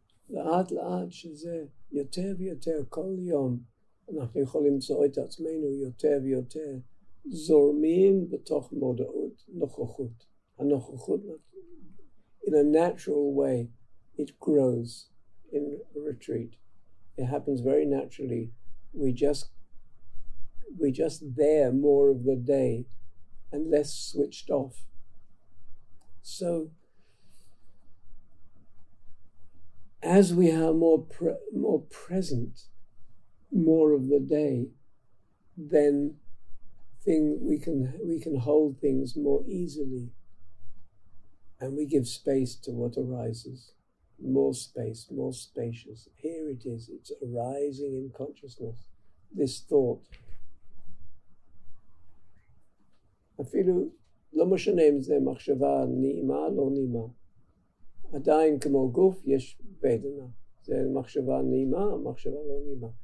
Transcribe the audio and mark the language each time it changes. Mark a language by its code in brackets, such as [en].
[he] לאט לאט שזה יותר ויותר כל יום, אנחנו יכולים למצוא את עצמנו יותר ויותר זורמים בתוך מודעות, נוכחות. הנוכחות, [en] in a natural way, it grows in retreat. It happens very naturally. We're just there more of the day and less switched off. So, as we are more present, more of the day, then we can hold things more easily, and we give space to what arises, more space, more spacious. Here it is, it's arising in consciousness, this thought. [he] אפילו לא משנה אם זה מחשבה נעימה או לא נעימה. עדיין כמו גוף יש בדנה. זה מחשבה נעימה או מחשבה לא נעימה.